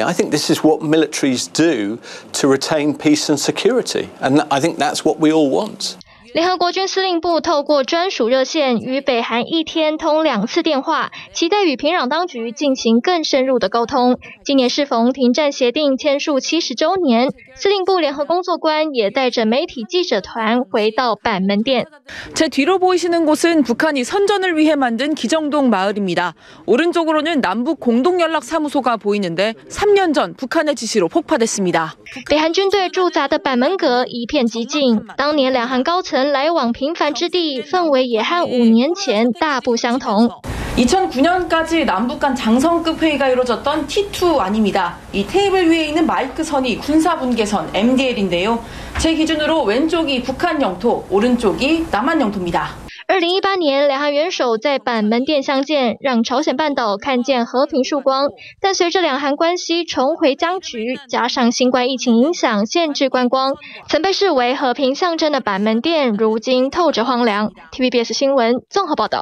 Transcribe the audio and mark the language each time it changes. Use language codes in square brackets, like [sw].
[en] I think this is what militaries do to retain peace and security. And I think that's what we all want. [zh] 联合国军司令部透过专属热线与北韩一天通2次电话，期待与平壤当局进行更深入的沟通。今年适逢停战协定签署70周年，司令部联合工作官也带着媒体记者团回到板门店。 [ko] 제뒤로보이시는곳은북한이선전을위해만든기정동마을입니다오른쪽으로는남북공동연락사무소가보이는데3년전북한의지시로폭파됐습니다 [zh] 北韩军队驻扎的板门阁一片寂静，当年两韩高层曾来往频繁之地，氛围也和5年前大不相同。 [ko] 2009년까지남북간장성급회의가이루어졌던 T2 아닙니다이테이블위에있는마이크선이군사분계선 MDL 인데요제기준으로왼쪽이북한영토오른쪽이남한영토입니다 [zh] 2018年，两韩元首在板门店相见，让朝鲜半岛看见和平曙光。但随着两韩关系重回僵局，加上新冠疫情影响限制观光，曾被视为和平象征的板门店，如今透着荒凉。 TVBS 新闻综合报道。